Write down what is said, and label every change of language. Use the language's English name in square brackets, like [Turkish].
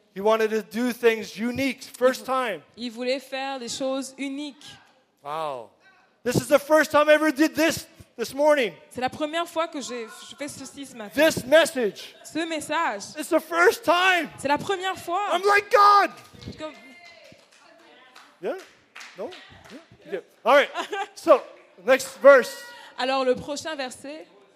[English] He wanted to do things unique, first time. [French] Il voulait faire des choses uniques. [English] Wow. This is the first time I ever did this this morning. [French] C'est la première fois que je fais ceci ce matin. [English] This message. [French] Ce message. [English] It's the first time. [French] C'est la première fois. [English] I'm like God. Yeah? No? Yeah. Yeah. All right. So, next verse. [French] Alors le prochain verset.